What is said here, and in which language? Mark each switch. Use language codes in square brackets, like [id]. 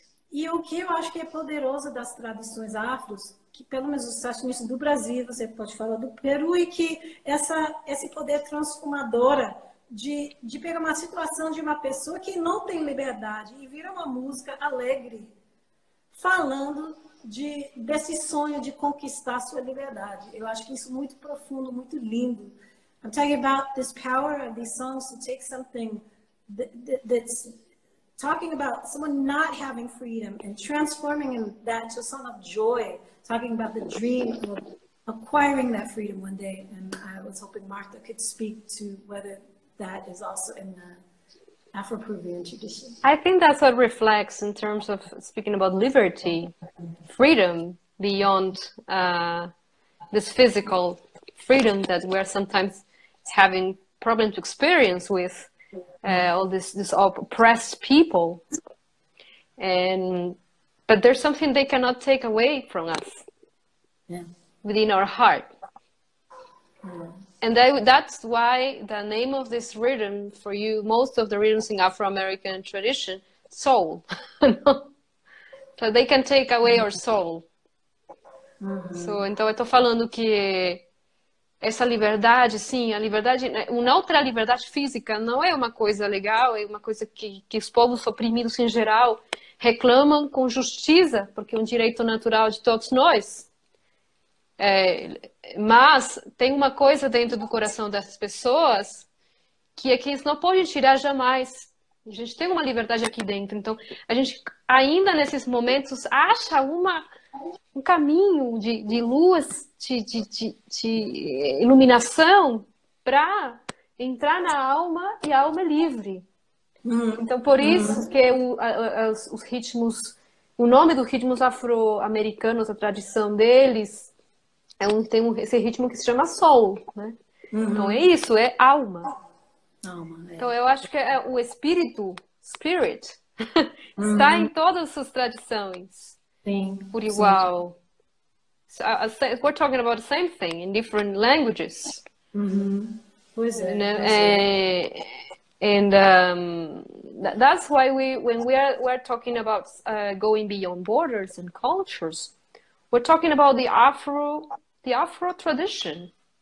[pt] E o que eu acho que é poderoso das tradições afros, que pelo menos os sacerdotes do Brasil, você pode falar do Peru, e que esse poder transformadora de pegar uma situação de uma pessoa que não tem liberdade e vira uma música alegre, falando desse sonho de conquistar sua liberdade. Eu acho que isso é muito profundo, muito lindo. [en] I'm talking about this power of these songs to take something that's talking about someone not having freedom and transforming that to a song of joy, talking about the dream of acquiring that freedom one day. And I was hoping Martha could speak to whether that is also in the Afro-Peruvian tradition. I think that's what reflects in terms of speaking about liberty, freedom beyond this physical freedom that we're sometimes having problems to experience with. All this oppressed people, but there's something they cannot take away from us, yeah, within our heart, yeah. And that's why the name of this rhythm for you, most of the rhythms in Afro-American tradition, soul, so they can take away our soul. Mm-hmm. [pt] So, então, eu tô falando que essa liberdade, sim, a liberdade, uma outra liberdade física não é uma coisa legal, é uma coisa que os povos oprimidos em geral reclamam com justiça, porque é um direito natural de todos nós. É, mas tem uma coisa dentro do coração dessas pessoas que é que eles não podem tirar jamais. A gente tem uma liberdade aqui dentro, então a gente ainda nesses momentos acha um caminho de luz, de iluminação para entrar na alma, e a alma é livre. Então, por isso que os ritmos, o nome dos ritmos afro-americanos, a tradição deles, tem esse ritmo que se chama soul, né? Uhum. Então, é isso, é alma. Alma, é. Então, eu acho que é o espírito, spirit, está em todas as tradições. Sim. Por igual. Sim. [en] So, we're talking about the same thing in different languages. Mm-hmm. That's why we're talking about going beyond borders and cultures, we're talking about the Afro tradition.